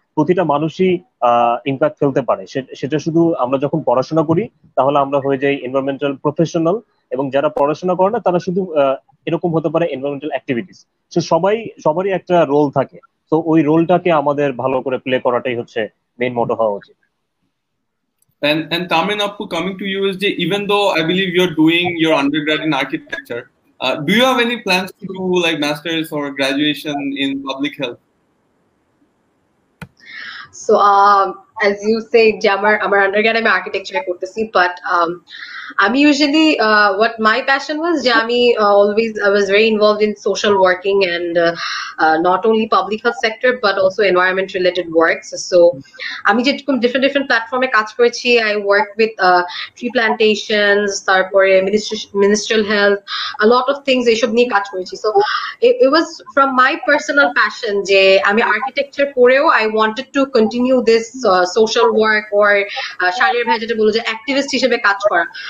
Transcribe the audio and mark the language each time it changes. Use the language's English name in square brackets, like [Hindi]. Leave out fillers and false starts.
[Bangla] প্রতিটা মানুষই ইম্প্যাক্ট ফেলতে পারে, সেটা শুধু আমরা যখন পড়াশোনা করি তাহলে আমরা হয়ে যাই এনভায়রনমেন্টাল প্রফেশনাল, এবং যারা পড়াশোনা করে না তারা শুধু এরকম হতে পারে এনভায়রনমেন্টাল অ্যাক্টিভিটিস। তো সবাই সবারই একটা রোল থাকে, তো ওই রোলটাকে আমাদের ভালো করে প্লে করাটাই হচ্ছে মেইন মোটো হওয়া উচিত। [English] And Tamin, up to coming to you is the, even though I believe you're doing your undergrad in architecture, do you have any plans to do like master's or graduation in public health? So as you say, [Bangla] আমার undergrad আমি architecture করতেছি, [English] but আমি usually what my passion was, আমি always I was very involved in social working and not only public health sector but also environment related works. So [Bangla] আমি যেরকম different different platforms কাজ করেছি, [English] I work with tree plantations, তারপরে ministerial health, a lot of things [Bangla] এইসব নিয়ে কাজ করেছি. [English] So it was from my personal passion [Bangla] যে আমি architecture পড়েও [English] I wanted to continue this social work or [Bangla] শারীর ভাষাতে বলবো যে activist হিসেবে কাজ করা।